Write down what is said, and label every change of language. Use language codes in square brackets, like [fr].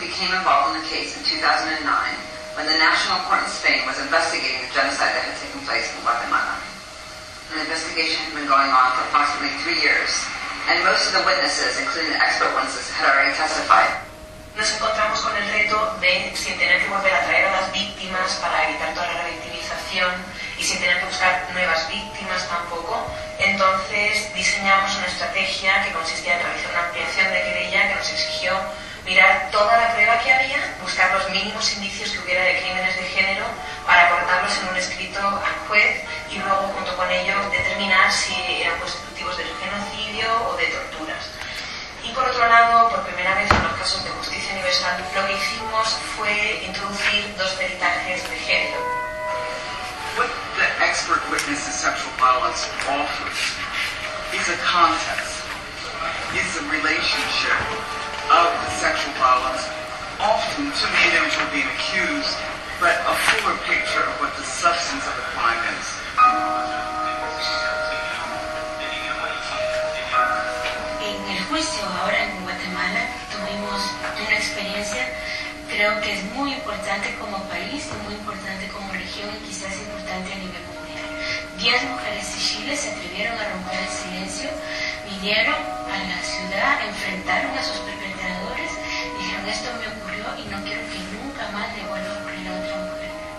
[en] became involved in the case in 2009 when the National Court in Spain was investigating the genocide that had taken place in Guatemala. An investigation had been going on for approximately 3 years, and most of the witnesses, including the expert ones, had already testified. [es] Nos encontramos con el reto de sin tener que volver a traer a las víctimas para evitar toda la victimización y sin tener que buscar nuevas víctimas tampoco. Entonces diseñamos una estrategia que consistía en realizar una ampliación de querella que nos exigió mirar toda la prueba que había, buscar los mínimos indicios que hubiera de crímenes de género para aportarlos en un escrito al juez y luego junto con ello determinar si eran constitutivos del genocidio o de torturas. Y por otro lado, por primera vez en los casos de justicia universal, lo que hicimos fue introducir dos peritajes de género. [en] What the expert witness to sexual violence offers is a context, is a relationship of the sexual violence, often to the individual being accused, but a fuller picture of what the substance of the crime is. [es] En el juicio ahora en Guatemala tuvimos una experiencia, creo que es muy importante como país, muy importante como región y quizás importante a nivel mundial. 10 mujeres de Chile se atrevieron a romper el silencio, vinieron a la ciudad, enfrentaron a sus perpetradores, dijeron esto me ocurrió y no quiero que nunca más le vuelva a ocurrir a otra mujer.